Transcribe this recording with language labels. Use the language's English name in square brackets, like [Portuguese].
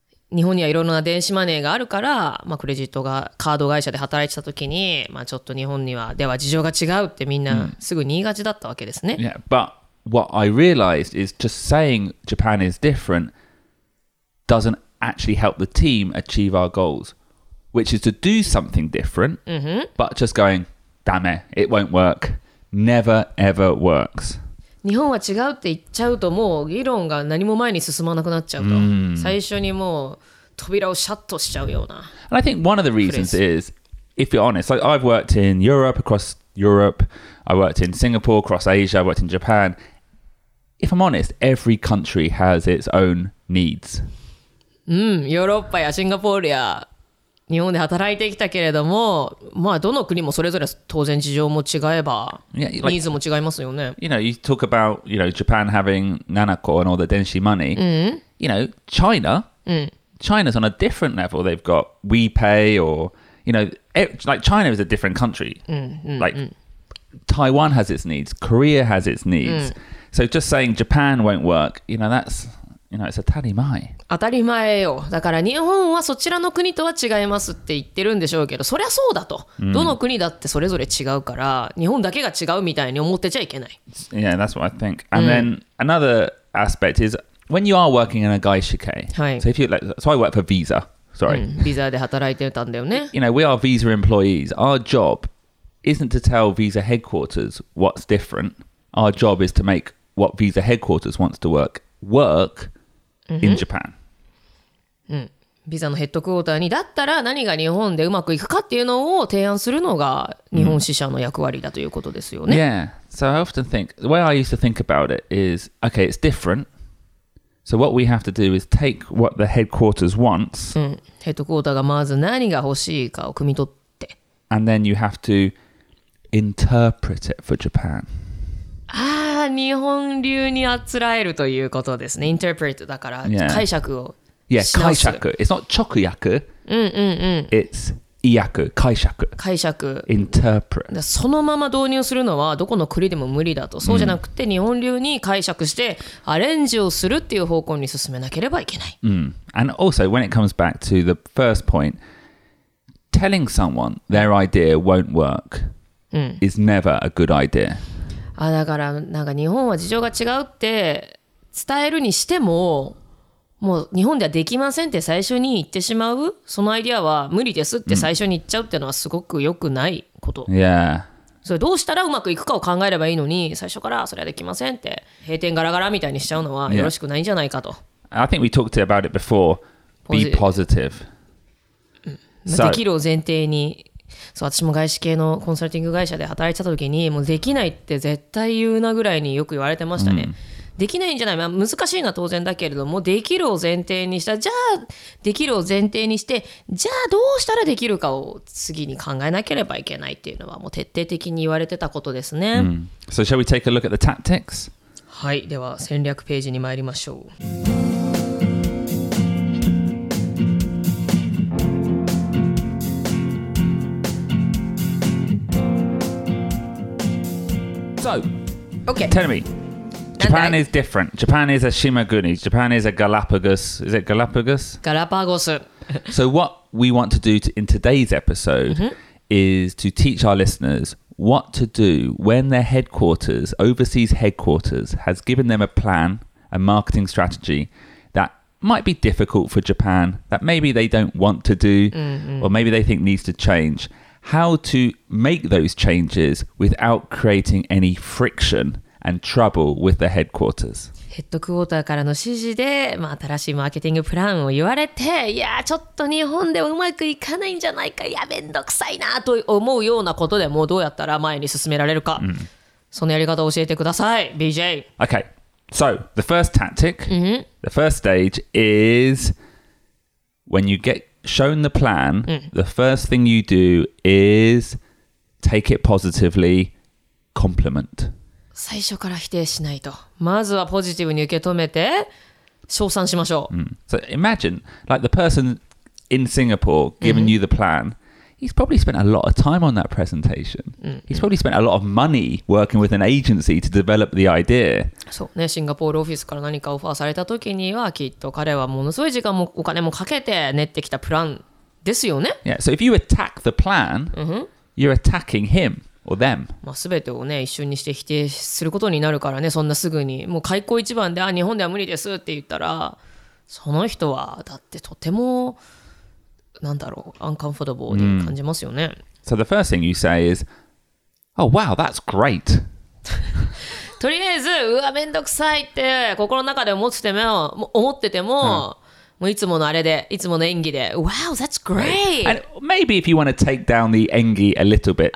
[Japanese] 日本にはいろいろな電子マネーがあるから、まあ、クレジットがカード会社で働いてた時に、まあ、ちょっと日本にはでは事情が違うってみんなすぐに言いがちだったわけですね。 [English] What I realized is just saying Japan is different doesn't actually help the team achieve our goals, which is to do something different, but just going, dame, it won't work, never ever works. [Japanese] 日本は違うって言っちゃうともう議論が何も前に進まなくなっちゃうと、最初にもう扉をシャットしちゃうような。 [English] And I think one of the reasons is, if you're honest, like I've worked in Europe, across Europe, I worked in Singapore, across Asia, I worked in Japan. If I'm honest, every country has its own needs. [Japanese] ヨーロッパやシンガポールや日本で働いてきたけれども、まあ、どの国もそれぞれ当然事情も違えば、ニーズも違いますよね。 [English] You know, you talk about, you know, Japan having Nanako and all the Denshi money. You know, China, China's on a different level. They've got WePay or, you know, like China is a different country. Like, Taiwan has its needs. Korea has its needs. So just saying Japan won't work, you know, that's, you know, it's [Japanese] 当たり前。当たり前よ。だから日本はそちらの国とは違いますって言ってるんでしょうけど、そりゃそうだと。 Mm. どの国だってそれぞれ違うから、日本だけが違うみたいに思ってちゃいけない。 [English] Yeah, that's what I think. And、mm. then another aspect is when you are working in a 外資系、 [Japanese] はい、 [English] so if you like, so I work for Visa. Sorry. [Japanese] Visa で働いてたんだよね。 [English] You know, we are Visa employees. Our job isn't to tell Visa headquarters what's different. Our job is to make what Visa headquarters wants to work, work in Japan. [Japanese] Visa のヘッドクォーターにだったら何が日本でうまくいくかっていうのを提案するのが日本支社の役割だということですよね。 [English] Yeah. So I often think, the way I used to think about it is, okay, it's different. So what we have to do is take what the headquarters wants. [Japanese] ヘッドクォーターがまず何が欲しいかを汲み取って。 [English] And then you have to interpret it for Japan. [Japanese] ああ、日本流にあつらえるということですね。 Interpret だから解釈を。 [English] Yeah, 解釈。It's not 直訳。It's [Japanese] 意訳、解釈。解釈。 [English] Interpret. [Japanese] そのまま導入するのはどこの国でも無理だと。そうじゃなくて日本流に解釈してアレンジをするっていう方向に進めなければいけない。 [English] And also, when it comes back to the first point, telling someone their idea won't work is never a good idea. [Japanese] あ、だから、なんか日本は事情が違うって伝えるにしても、もう日本ではできませんって最初に言ってしまう、そのアイディアは無理ですって最初に言っちゃうっていうのはすごく良くないこと。 [English] Yeah. [Japanese] それどうしたらうまくいくかを考えればいいのに、最初からそれはできませんって閉店ガラガラみたいにしちゃうのはよろしくないんじゃないかと。 [English] Yeah. I think we talked about it before. Be positive. [Japanese] できるを前提に。そう、私も外資系のコンサルティング会社で働いてた時に、もうできないって絶対言うなぐらいによく言われてましたね。できないんじゃない、まあ、難しいのは当然だけれども、できるを前提にした、じゃあできるを前提にして、じゃあどうしたらできるかを次に考えなければいけないっていうのはもう徹底的に言われてたことですね。 [English] So shall we take a look at the tactics? [Japanese] はい、では戦略ページに参りましょう。 [English] So, okay. Tell me. Japan is different. Japan is a Shimaguni. Japan is a Galapagos. Is it Galapagos? Galapagos. So what we want to do to, in today's episode is to teach our listeners what to do when their headquarters, overseas headquarters, has given them a plan, a marketing strategy that might be difficult for Japan, that maybe they don't want to do, or maybe they think needs to change. How to make those changes without creating any friction. And trouble with the headquarters. [Japanese] ヘッドクォーターからの指示で、まあ、新しいマーケティングプランを言われて、いやちょっと日本でうまくいかないんじゃないか、いやめんどくさいなと思うようなことでもうどうやったら前に進められるか、そのやり方を教えてください、BJ。 [English] Okay, so the first tactic, the first stage is when you get shown the plan, the first thing you do is take it positively, compliment. [Japanese] 最初から否定しないと。まずはポジティブに受け止めて、称賛しましょう。 [English] So imagine, like the person in Singapore giving you the plan, he's probably spent a lot of time on that presentation. He's probably spent a lot of money working with an agency to develop the idea. [Japanese] そうね、シンガポールオフィスから何かオファーされた時には、きっと彼はものすごい時間もお金もかけて練ってきたプランですよね。 [English] Yeah, so if you attack the plan, you're attacking him. Or them. [Japanese] まあ、全てをね一緒にして否定することになるからね、そんなすぐにもう開口一番で、あ、日本では無理ですって言ったら、その人はだってとてもなんだろう、アンカンフォーダブルに感じますよね。 [English] So the first thing you say is, oh wow, that's great. [Japanese] とりあえず、うわめんどくさいって心の中で思ってても、もういつものあれで、いつもの演技で、 [English] Wow, that's great! And maybe if you want to take down the 演技 a little bit.